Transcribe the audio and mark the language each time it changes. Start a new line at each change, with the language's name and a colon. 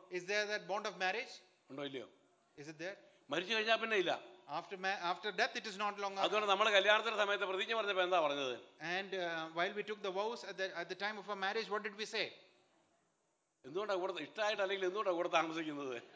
English: Is there that bond of marriage?
Malayalam: ഉണ്ടോ ഇല്ലയോ?
English: Is it there?
Malayalam: മരിച്ചു കഴിഞ്ഞാൽ പിന്നെ ഇല്ല.
English: After death it is not longer.
Malayalam: അതുകൊണ്ട് നമ്മൾ കല്യാണത്തിന്റെ സമയത്ത് പ്രതിജ്ഞ പറഞ്ഞപ്പോൾ എന്താ പറഞ്ഞത്?
English: And while we took the vows at the time of our marriage, what did we say?
Malayalam: എന്തുകൊണ്ടാ കൂടെ ഇഷ്ടമായിട്ട് അല്ലെങ്കിൽ എന്തുകൊണ്ടാ കൂടെ താമസിക്കുന്നത്?